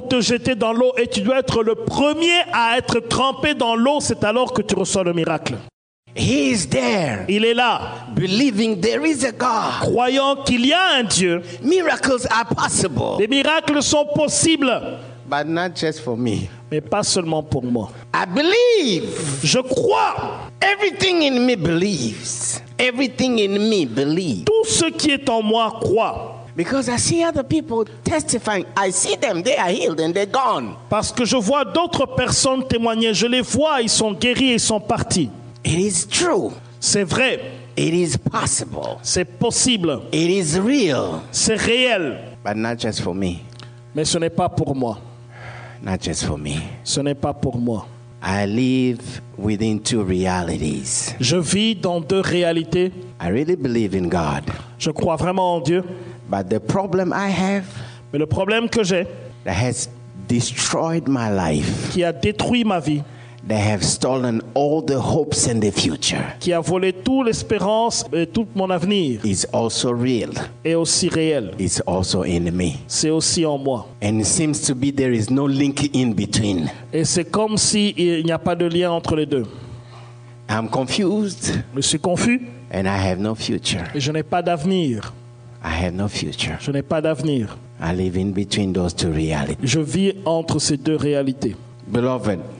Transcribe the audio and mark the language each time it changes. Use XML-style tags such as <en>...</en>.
<fr>Pour te jeter dans l'eau et tu dois être le premier à être trempé dans l'eau, c'est alors que tu reçois le miracle.</fr> <en>He is there.</en> <fr>Il est là.</fr> <en>Believing there is a God.</en> <fr>Croyant qu'il y a un Dieu.</fr> <en>Miracles are possible.</en> <fr>Les miracles sont possibles.</fr> <en>But not just for me.</en> <fr>Mais pas seulement pour moi.</fr> <en>I believe.</en> <fr>Je crois.</fr> <en>Everything in me believes. Everything in me believes.</en> <fr>Tout ce qui est en moi croit.</fr> <en>Because I see other people testifying. I see them, they are healed and they're gone.</en> <fr>Parce que je vois d'autres personnes témoigner. Je les vois, ils sont guéris et ils sont partis.</fr> <en>It is true.</en> <fr>C'est vrai.</fr> <en>It is possible.</en> <fr>C'est possible.</fr> <en>It is real.</en> <fr>C'est réel.</fr> <en>But not just for me.</en> <fr>Mais ce n'est pas pour moi.</fr> <en>Not just for me.</en> <fr>Ce n'est pas pour moi.</fr> <en>I live within two realities.</en> <fr>Je vis dans deux réalités.</fr> <en>I really believe in God.</en> <fr>Je crois vraiment en Dieu.</fr> <en>But the problem I have.</en> <fr>Mais le problème que j'ai.</fr> <en>That has destroyed my life.</en> <fr>Qui a détruit ma vie.</fr> <en>They have stolen all the hopes in the future.</en> <fr>Qui a volé toute l'espérance et tout mon avenir.</fr> <en>Is also real.</en> <fr>Et aussi réel.</fr> <en>It's also in me.</en> <fr>C'est aussi en moi.</fr> <en>And it seems to be there is no link in between.</en> <fr>Et c'est comme si il n'y a pas de lien entre les deux.</fr> <en>I'm confused.</en> <fr>Je suis confus.</fr> <en>And I have no future.</en> <fr>Et je n'ai pas d'avenir.</fr> <en>I have no future.</en> <fr>Je n'ai pas d'avenir.</fr> <en>I live in between those two realities.</en> <fr>Je vis entre ces deux réalités.</fr> <en>Beloved.</en>